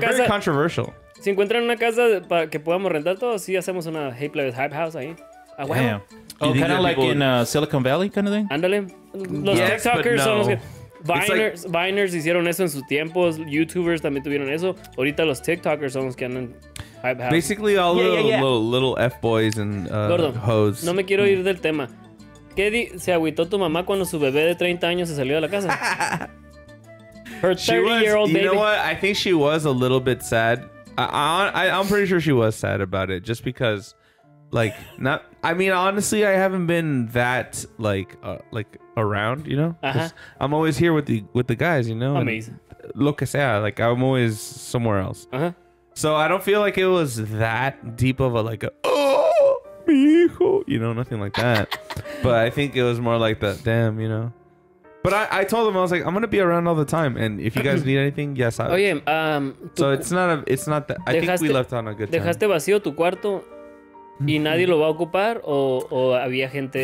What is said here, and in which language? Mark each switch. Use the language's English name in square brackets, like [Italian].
[Spanish] casa, [English] very controversial. [Spanish] Si encuentran una casa para que podamos rentar todo, sí hacemos una Hey, Plebes, hype house ahí. Ah, bueno. [English] Damn. Oh, kind of like in Silicon Valley kind of thing? [Spanish] Ándale. Los [English] yes, [Spanish] TikTokers no. Son los que... Viners, [English] like, [Spanish] Viners hicieron eso en sus tiempos. YouTubers también tuvieron eso. Ahorita los TikTokers son los que andan... [English] Basically all the little F-boys and hoes. [Spanish] No me quiero ir del tema. ¿Qué se agüitó tu mamá cuando su bebé de 30 años se salió de la casa? [English] Her 30-year-old baby. You know what? I think she was a little bit sad. I'm pretty sure she was sad about it just because... Like, not, I mean, honestly, I haven't been that, like around, you know? Uh-huh. I'm always here with the guys, you know? Amazing. [Spanish] Lo que sea, [English] like, I'm always somewhere else. Uh-huh. So, I don't feel like it was that deep of a, like, a, [Spanish] oh, mi hijo, [English] you know, nothing like that. But I think it was more like the, damn, you know? But I told him, I was like, I'm going to be around all the time. And if you guys need anything, yes, I will. [Spanish] Oye, [English] so, I think we left on a good time. [Spanish] Dejaste vacío tu cuarto... ¿Y nadie lo va a ocupar o había gente